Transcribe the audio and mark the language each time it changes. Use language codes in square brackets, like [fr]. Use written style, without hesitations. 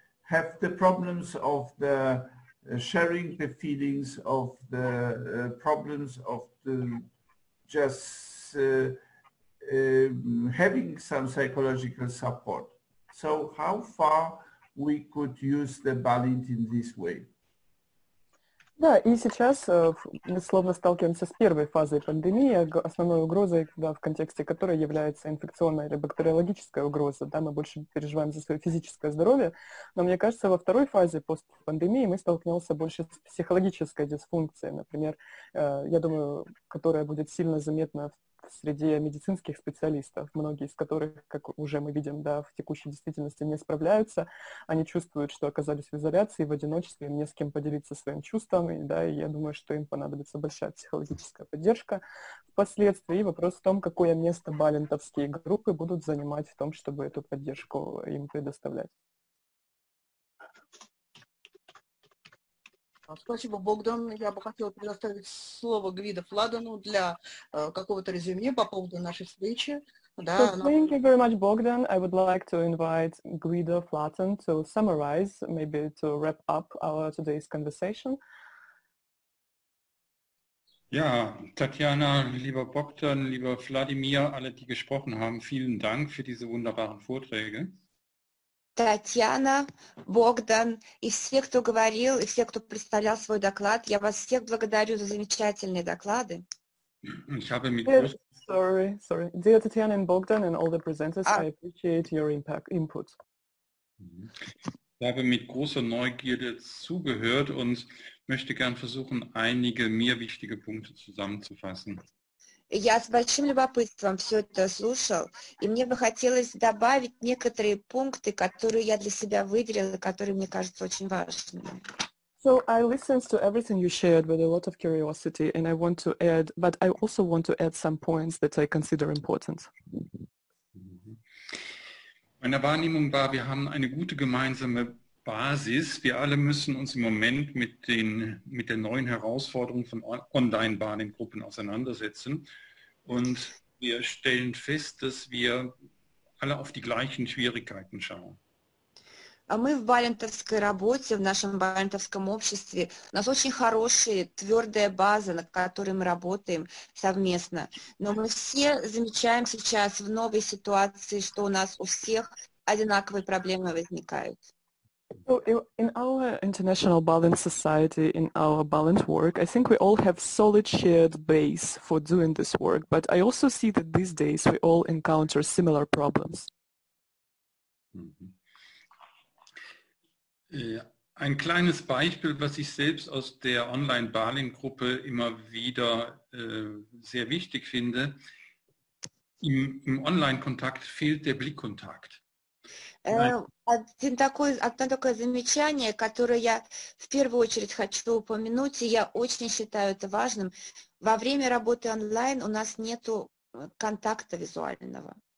[en] have the problems of the sharing the feelings of the problems of the just having some psychological support. So how far we could use the balance in this way? [ru] Да, и сейчас мы словно сталкиваемся с первой фазой пандемии, основной угрозой, да, в контексте которой является инфекционная или бактериологическая угроза. Да, мы больше переживаем за свое физическое здоровье. Но мне кажется, во второй фазе постпандемии мы столкнемся больше с психологической дисфункцией, например, я думаю, которая будет сильно заметна среди медицинских специалистов, многие из которых, как уже мы видим, да, в текущей действительности не справляются. Они чувствуют, что оказались в изоляции, в одиночестве, им не с кем поделиться своим чувством, и, да, и я думаю, что им понадобится большая психологическая поддержка впоследствии. И вопрос в том, какое место балентовские группы будут занимать в том, чтобы эту поддержку им предоставлять. Спасибо, Богдан. Я бы хотела предоставить слово Гвидо Фладену для какого-то резюме по поводу нашей встречи. [en] Да, so, thank you very much, Bogdan. I would like to invite Gvido Flaten to summarize, maybe to wrap up our today's conversation. [de] Ja, Tatjana, lieber Bogdan, lieber Vladimir, alle, die gesprochen haben, vielen Dank für diese wunderbaren Vorträge. [ru] Татьяна, Богдан и все, кто говорил, и все, кто представлял свой доклад, я вас всех благодарю за замечательные доклады. [en] Sorry. Dear Tatiana and Bogdan and all the presenters, I appreciate your input. [de] Ich habe mit großer Neugierde zugehört und möchte gern versuchen, einige mir wichtige Punkte zusammenzufassen. [ru] Я с большим любопытством все это слушал, и мне бы хотелось добавить некоторые пункты, которые я для себя выделила, которые мне кажутся очень важными. [en] So I listened to everything you shared with a lot of curiosity, and I want to add, but I also want to add some points that I consider important. [de] Meine Wahrnehmung war, wir haben eine gute gemeinsame Basis. Wir alle müssen uns im Moment mit der neuen Herausforderung von Online-Bahn-Gruppen auseinandersetzen. Und wir stellen fest, dass wir alle auf die gleichen Schwierigkeiten schauen. [ru] Мы в Балентовской работе, в нашем Балентовском обществе, у нас очень хорошая, твердая база, на которой мы работаем совместно. Но мы все замечаем сейчас в новой ситуации, что у нас у всех одинаковые проблемы возникают. [en] So in our international Balint society, in our Balint work, I think we all have solid shared base for doing this work, but I also see that these days we all encounter similar problems. [de] Ein kleines Beispiel, was ich selbst aus der Online-Balint-Gruppe immer wieder sehr wichtig finde, im Online-Kontakt fehlt der Blickkontakt. [ru] Одно такое замечание, которое я в первую очередь хочу упомянуть, и я очень считаю это важным. Во время работы онлайн у нас нету контакта визуального.